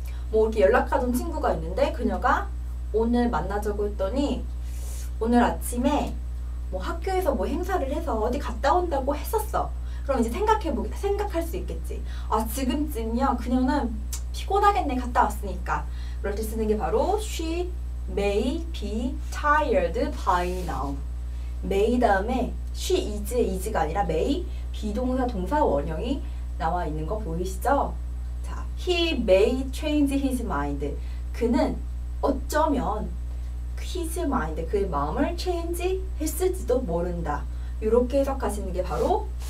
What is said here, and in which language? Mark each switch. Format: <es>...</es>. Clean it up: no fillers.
<ko>뭐 이렇게 연락하던 친구가 있는데 그녀가 오늘 만나자고 했더니 오늘 아침에 뭐 학교에서 뭐 행사를 해서 어디 갔다 온다고 했었어. 그럼 이제 생각할 수 있겠지. 아 지금쯤이야 그녀는 피곤하겠네 갔다 왔으니까. 그럴 때 쓰는 게 바로</ko> <en>she may be tired by now.</en> <ko>may 다음에 she is가 아니라 may 비동사 동사 원형이 나와 있는 거 보이시죠?</ko> <en>자, he may change his mind.</en> <ko>그는 어쩌면 his mind 그의 마음을 change 했을지도 모른다. 이렇게 해석하시는 게 바로</ko>